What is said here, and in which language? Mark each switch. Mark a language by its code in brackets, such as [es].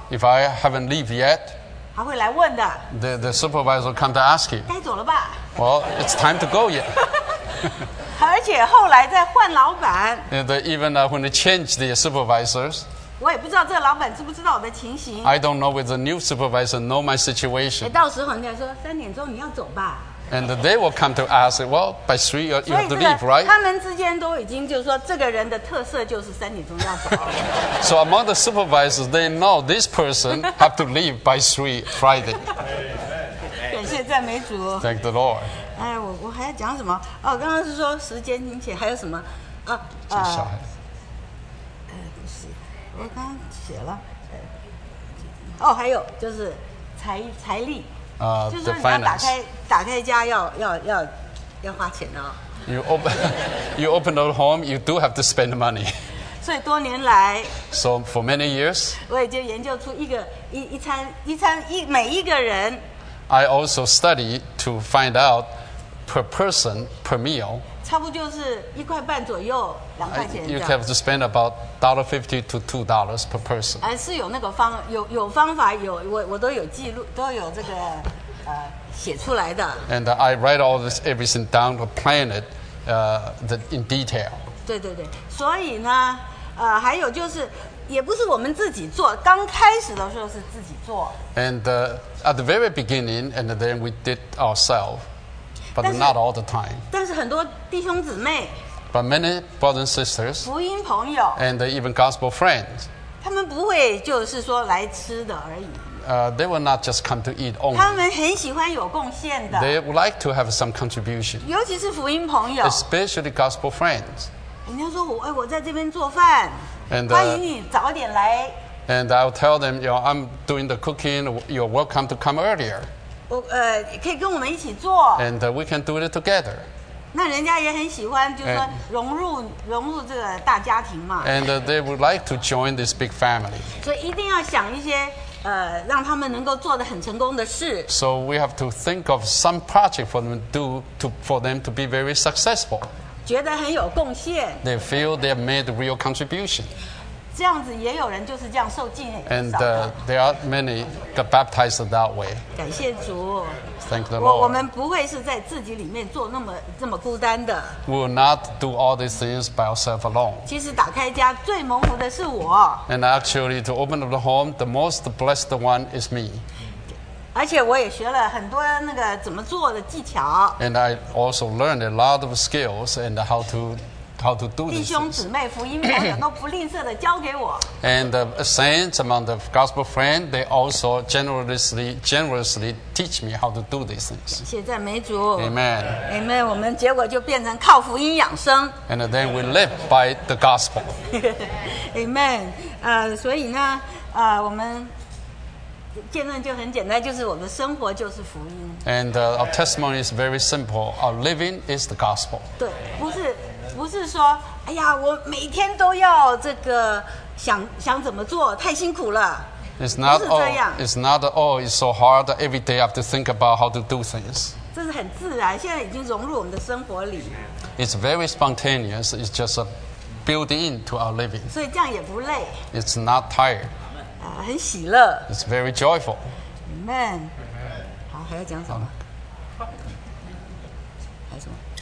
[en] If I haven't leave yet. [zh] 他会来问的。 [en] The supervisor come to ask you. [zh] 该走了吧。 [en] Well, it's time to go yet. [zh] 而且后来再换老板。 [en] When they change the supervisors. [zh] 我也不知道这个老板知不知道我的情形。 [en] I don't know whether the new supervisor know my situation. [zh] 到时候人家说三点钟你要走吧。 [en] And they will come to ask, well, by 3 you have to leave, right? [zh] 他们之间都已经就说这个人的特色就是三点钟要走。 [en] So among the supervisors, they know this person have to leave by 3 Friday. [zh] 感谢赞美主。 [en] Thank the Lord. [zh] 哎，我还要讲什么？哦，刚刚是说时间，并且还有什么？这小孩子。不是，我刚刚写了。哦，还有就是财力。 [en] The finance. [zh] 就是说你打开家要花钱哦。 [en] You open a home, you do have to spend money. [zh] 所以多年来。 [en] So for many years. [zh] 我已经研究出一餐每一个人。 [en] I also study to find out per person per meal. [zh] 差不多就是一块半左右，两块钱。 [en] You have to spend about $1.50 to $2 per person. [zh] 是有那个方有方法有我都有记录都有这个写出来的。 [en] And I write all this everything down to plan it, the in detail. [zh] 对对对，所以呢，还有就是也不是我们自己做，刚开始的时候是自己做。 [en] And at the very beginning, and then we did ourselves, but not all the time. [zh] 但是很多弟兄姊妹 [en] ，But many brothers and sisters, [zh] 福音朋友 [en] ，and even gospel friends, [zh] 他们不会就是说来吃的而已。 [en] They will not just come to eat only. [zh] 他们很喜欢有贡献的。 [en] They would like to have some contribution. [zh] 尤其是福音朋友 [en] ，especially gospel friends. [zh] 人家说我在这边做饭。 [en] And, [zh] 欢迎你早点来。 [en] And I'll tell them, you know, I'm doing the cooking. You're welcome to come earlier. [zh] 可以跟我们一起做。 [en] And we can do it together. [zh] 那人家也很喜欢，就是说融入这个大家庭嘛。 [en] And they would like to join this big family. [zh] 所以一定要想一些让他们能够做得很成功的事。 [en] So we have to think of some project for them to be very successful. [zh] 觉得很有贡献。 [en] They feel they have made real contribution. [zh] 这样子也有人就是这样受浸很少。 [en] And there are many got baptized that way. [zh] 感谢主。 [en] Thank the Lord. [zh] 我们不会是在自己里面做这么孤单的。 [en] We will not do all these things by ourselves alone. [zh] 其实打开家最蒙福的是我。 [en] And actually, to open up the home, the most blessed one is me. [zh] 而且我也学了很多那个怎么做的技巧。 [en] And I also learned a lot of skills and how to do this. [zh] 弟兄姊妹、福音朋友都不吝啬的教给我。 [en] And the saints among the gospel friends, they also generously teach me how to do these things. [zh] 感谢赞美主。 [en] Amen. Amen. [zh] 我们结果就变成靠福音养生。 [en] And then we live by the gospel. [zh] Amen. 所以呢，我们。见证就很简单，就是我们生活就是福音。 [en] And our testimony is very simple. Our living is the gospel. [zh] 对，不是说，哎呀，我每天都要这个想怎么做，太辛苦了。 [en] It's not [zh] 不是这样。 [en] Oh, it's not all. It's so hard. Every day I have to think about how to do things. [zh] 这是很自然，现在已经融入我们的生活里。 [en] It's very spontaneous. It's just built into our living. [zh] 所以这样也不累。 [en] It's not tired. [zh] 很喜乐。 [en] It's very joyful. [zh] Amen. 好，还要讲什么？还有什么？